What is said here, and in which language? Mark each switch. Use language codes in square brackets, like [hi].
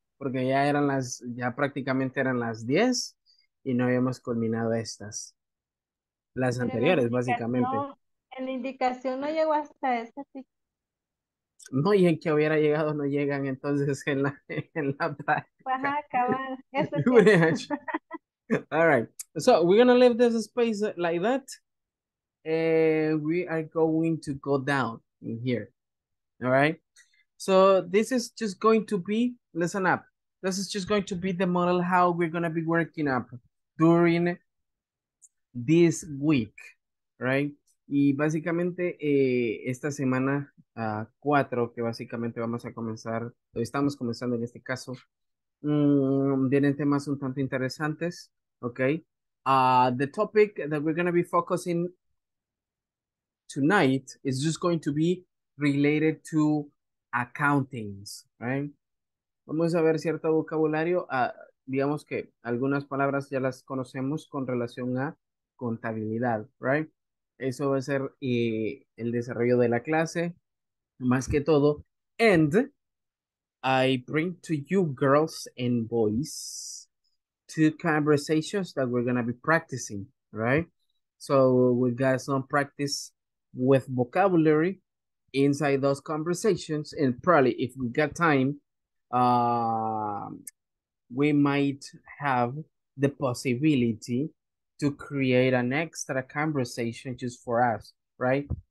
[es] Porque ya eran las, ya prácticamente eran las 10 y no habíamos culminado estas. Las anteriores, básicamente. En la indicación no llegó hasta esa, sí. No, y en que hubiera llegado no llegan entonces en la práctica. Pues acabar. Eso [en] All right. So, we're going to leave this space like that. We are going to go down in here. All right. So this is just going to be, listen up, this is just going to be the model how we're going to be working up during this week, right? [es] Y básicamente esta semana 4, que básicamente vamos a comenzar, o estamos comenzando en este caso, vienen temas un tanto interesantes, okay? [en] The topic that we're going to be focusing tonight is just going to be related to accountings, right? [es] Vamos a ver cierto vocabulario. Digamos que algunas palabras ya las conocemos con relación a contabilidad, right? Eso va a ser el desarrollo de la clase, más que todo. [en] And I bring to you, girls and boys, two conversations that we're going to be practicing, right? So we got some practice with vocabulary inside those conversations, and probably if we got time, we might have the possibility to create an extra conversation just for us, right?